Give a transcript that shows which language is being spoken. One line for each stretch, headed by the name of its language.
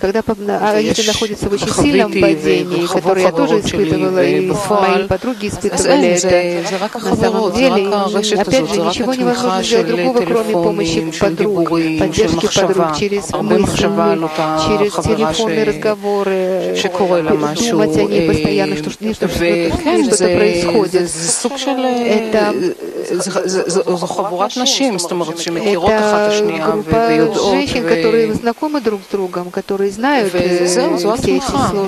Russian: Когда а если находится в очень сильном падении, которое я тоже испытывала, и мои подруги испытывали это, на самом деле, опять же, ничего невозможно сделать другого, кроме помощи подруг, поддержки подруг через мысли, через телефонные разговоры, думать о ней постоянно, что что-то происходит. Это
Hebrew: זו חבורת נשים, זאת אומרת, שמכירות אחת השנייה ויודעות.
Russian: זו женщин, которые знакомы друг с другом, которые знают все эти сложности.